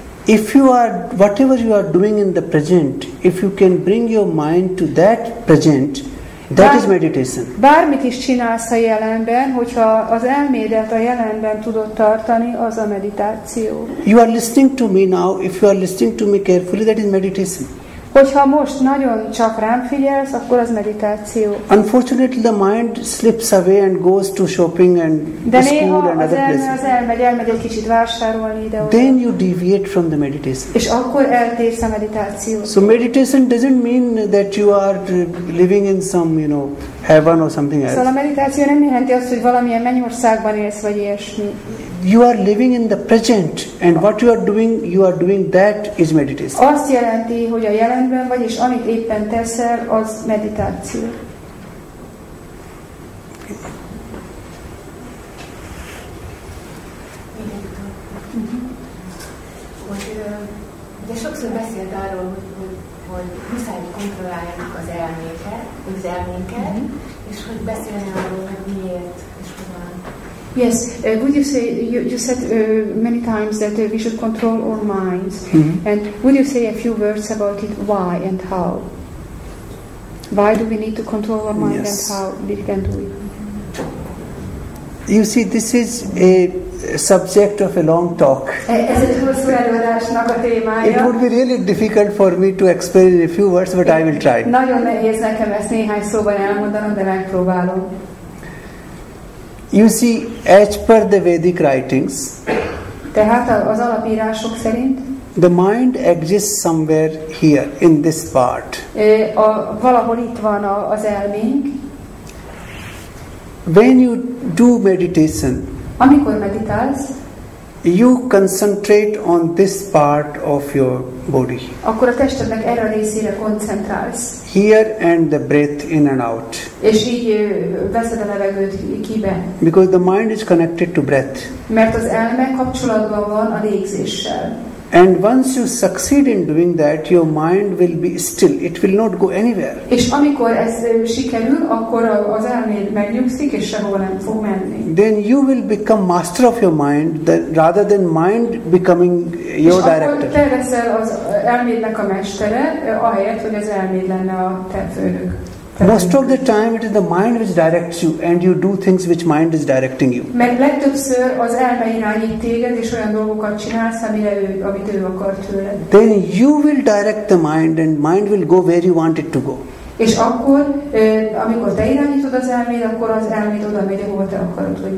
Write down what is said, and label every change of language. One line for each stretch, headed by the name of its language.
English: If you are whatever you are doing in the present, if you can bring your mind to that present, that is meditation.
Hungarian: Bármit is csinálsz a jelenben, hogyha az elmédet a jelenben tudod tartani, az a meditáció.
English: You are listening to me now. If you are listening to me carefully, that is meditation.
Hungarian: Hogyha most nagyon csak rám figyelsz, akkor az meditáció.
English: Unfortunately, the mind slips away and goes to shopping and
Hungarian: de
English: to school and other places.
Hungarian: De néha az elmegy egy kicsit vásárolni ide-oda.
English: Then you deviate from the meditation.
Hungarian: És akkor eltérsz a meditációt.
English: So meditation doesn't mean that you are living in some, you know, heaven or something else.
Hungarian: Szóval a meditáció nem jelenti azt, hogy valamilyen mennyországban élsz, vagy ilyesmi.
English: You are living in the present, and what you are doing that is meditation.
Hungarian: Azt jelenti, hogy a jelenben vagy, és amit éppen teszel, az meditáció. De sokszor beszélt arról, hogy muszáj kontrolláljuk az elménket, mm-hmm. és hogy beszélni arról, hogy miért és hogyan.
English: Yes, would you say, you said many times that we should control our minds, mm-hmm. and would you say a few words about it, why and how? Why do we need to control our minds, yes. and how we can do it? You see, this is a subject of a long talk. It would be really difficult for me to explain in a few words, but I will try.
Hungarian: Nagyon nehéz nekem ezt néhány szóban elmondanom, de megpróbálom.
English: You see, as per the Vedic writings,
Hungarian: tehát az alapírások szerint,
English: the mind exists somewhere here in this part.
Hungarian: Valahol itt van az elménk.
English: When you do meditation,
Hungarian: amikor meditálsz,
English: you concentrate on this part of your body.
Hungarian: Akkor a testednek erre a részére koncentrálsz.
English: Here and the breath in and out.
Hungarian: És így veszed a levegőt kibe.
English: Because the mind is connected to breath.
Hungarian: Mert az elme kapcsolatban van a légzéssel.
English: And once you succeed in doing that, your mind will be still. It will not go anywhere.
Hungarian: És amikor ez sikerül, akkor az elméd megnyugszik, és sehova nem fog menni.
English: Then you will become master of your mind, rather than mind becoming your director.
Hungarian: És akkor te leszel az elmédnek a mestere, ahelyett, hogy az elméd lenne a te főnök.
English: Most of the time it is the mind which directs you and you do things which mind is directing you.
Hungarian: Mert legtöbbször az elme irányít téged és olyan dolgokat csinálsz, amit ő akar tőled.
English: Then you will direct the mind and mind will go where you want it to go.
Hungarian: És akkor, amikor te irányítod az elméd, akkor az elméd oda megy, ahol te akarod, hogy